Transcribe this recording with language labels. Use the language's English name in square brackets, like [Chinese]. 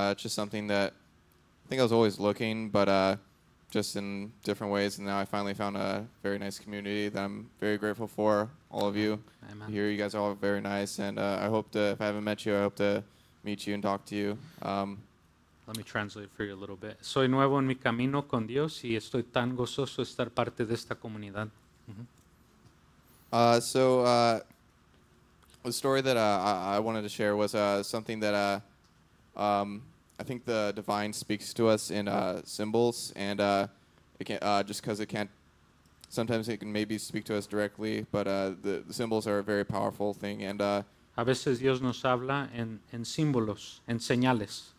[English] Just something that I think I was always looking, but just in different ways. And now I finally found a very nice community that I'm very grateful for, all of you. Amen. Here, you guys are all very nice. And I hope to, if I haven't met you, I hope to meet you and talk to you. Let me translate for you a little bit. [Spanish] Soy nuevo en mi camino con Dios y estoy tan gozoso de estar parte de esta comunidad. Mm-hmm. [English] The story that I wanted to share was something that I think the divine speaks to us in symbols, and it can't, just because it can't, sometimes it can maybe speak to us directly, but the symbols are a very powerful thing. And [Spanish] a veces Dios nos habla en símbolos, en señales.